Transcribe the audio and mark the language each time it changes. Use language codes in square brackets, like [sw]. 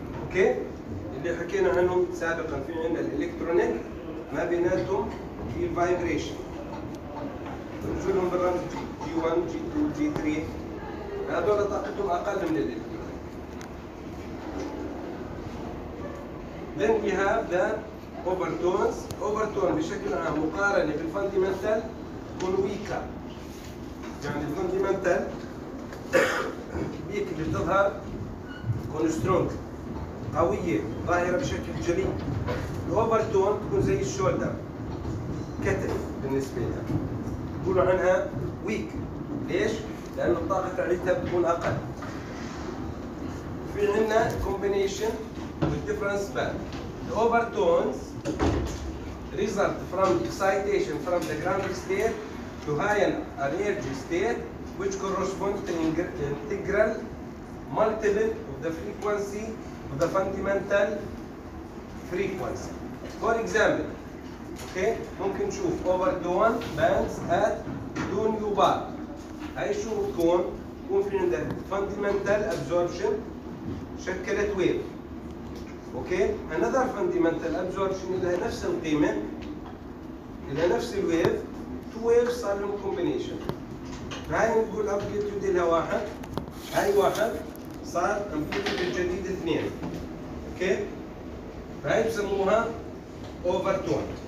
[ar] Okay؟ اللي حكينا عنهم سابقا في عندنا الإلكترونين ما بيناتهم في vibration. بنشوف لهم بالرمز G1 G2 G3 هذول طاقتهم أقل من الإلكترونين. [en] Then we have the overtones. [ar] Overtone بشكل عام مقارنة بالفاندمنتال تكون weaker. يعني الفاندمنتال هيك اللي بتظهر تكون strong قوية ظاهرة بشكل جلي. الاوفرتون تكون زي الشولدر كتف بالنسبة لها. بيقولوا عنها weak. ليش؟ لأن الطاقة تاعتها بتكون أقل. في عندنا combination والديفرنس باند. [en] Overtones result from excitation from the ground state to high energy state which correspond to integral multiple of the frequency of the fundamental frequency. For example, okay, ممكن نشوف overtone bands at 2 nu bar. [ar] هاي شو بتكون؟ بتكون في عندها fundamental absorption شكلت ويف. اوكي another fundamental absorption لها نفس القيمه لها نفس الويف تو ويف صار لهم كومبينيشن هاي نقول امبليتيود لها واحد هاي واحد صار امبليتيود الجديد اثنين اوكي هاي بسموها اوفر تون